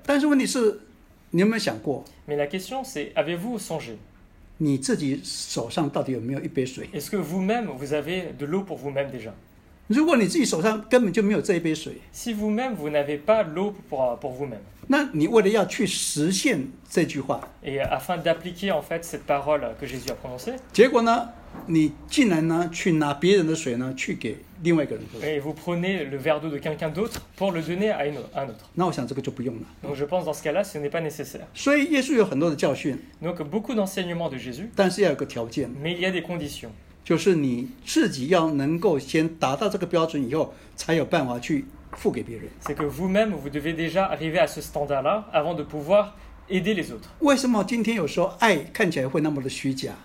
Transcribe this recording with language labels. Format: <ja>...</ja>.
<zh>但是问题是你有没有想过</zh> <fr>mais la question c'est, avez-vous songé?</fr> <zh>你自己手上到底有没有一杯水</zh> <fr>Est-ce que vous-même, vous avez de l'eau pour vous-même déjà?</fr> <zh>如果你自己手上根本就没有这一杯水</zh> <fr>Si vous-même, vous n'avez pas l'eau pour vous-même.</fr> <zh>那你为了要去实现这句话</zh> <fr>Et afin d'appliquer en fait cette parole que Jésus a prononcée.</fr> <zh>结果呢你竟然呢去拿别人的水呢去给另外一个人喝。</zh> <fr>Et vous prenez le verre d'eau de quelqu'un d'autre pour le donner à un autre.</fr> <zh>那我想这个就不用了。</zh> <fr>Donc je pense dans ce cas-là, ce n'est pas nécessaire.</fr> <zh>所以耶稣有很多的教训。</zh> <fr>Donc beaucoup d'enseignements de Jésus.</fr> <zh>但是要有个条件。</zh> <fr>Mais il y a des conditions.</fr> <zh>就是你自己要能够先达到这个标准以后，才有办法去付给别人。</zh> <fr>C'est que vous-même, vous devez déjà arriver à ce standard-là avant de pouvoir. Aider les autres.</fr> <zh>为什么今天有时候爱看起来会那么的虚假</zh>